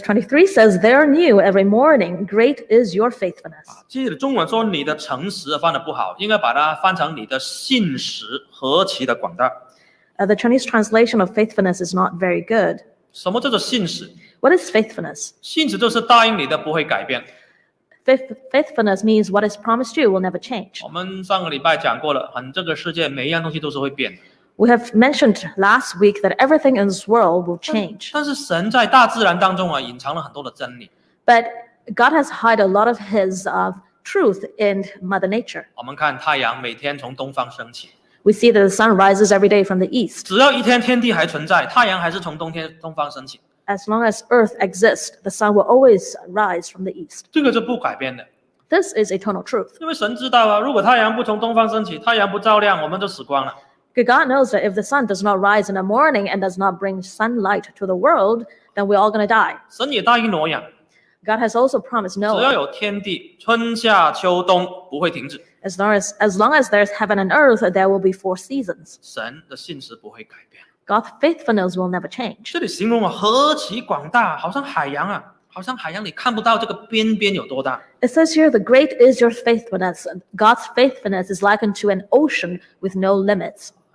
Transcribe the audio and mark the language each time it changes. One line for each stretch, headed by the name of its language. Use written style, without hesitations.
English: 23 says, they are new every morning. Great is your faithfulness.
Chinese: 其实中文说你的诚实翻得不好，应该把它翻成你的信实何其的广大。The
English: Chinese translation of faithfulness is not very good.
Chinese: 什么叫做信实?
English: What is faithfulness?
Chinese: 信实就是答应你的不会改变。Faithfulness
English: means what is promised you will never change.
Chinese: 我们上个礼拜讲过了，这个世界每一样东西都是会变的。
English: We have mentioned last week that everything in this world will change.
Chinese: 但是神在大自然当中啊，隐藏了很多的真理。
English: But God has hide a lot of His truth in Mother Nature.
Chinese: 我们看太阳每天从东方升起。
English: We see that the sun rises every day from the east.
Chinese: 只要一天天地还存在，太阳还是从东天东方升起。
English: As long as Earth exists, the sun will always rise from the east.
Chinese: 这个是不改变的。
English: This is eternal truth.
Chinese: 因为神知道啊，如果太阳不从东方升起，太阳不照亮，我们就死光了。
English: God knows that if the sun does not rise in the morning and does not bring sunlight to the world, then we're all going to die.
Chinese: 神也答应挪亚,
English: God has also promised Noah.
Chinese: 只要有天地,春夏秋冬不会停止。
English: As long as there's heaven and earth, there will be four seasons.
Chinese: 神的信实不会改变。
English: God's faithfulness will never change.
Chinese: 这里形容何其广大,好像海洋啊。好像海洋里看不到这个边边有多大。
English: It says here, the great is your faithfulness. God's faithfulness is likened to an ocean with no limits.